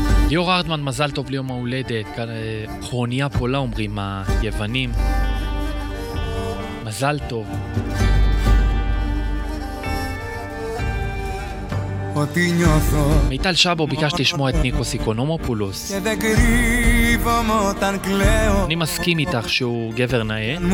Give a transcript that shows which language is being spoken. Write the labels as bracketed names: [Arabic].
[Hebrew] ליאור ארטמן, מזל טוב ליום ההולדת. חרוניה פולה אומרים היוונים. מזל טוב. [Greek] Ότι νιώθω. [Hebrew] מיטל שבו, ביקשתי לשמוע את ניקוס איקונומופולוס. [Greek] Και δεν κρύβομαι όταν κλαίω. [Hebrew] אני מסכים איתך שהוא גבר נאה.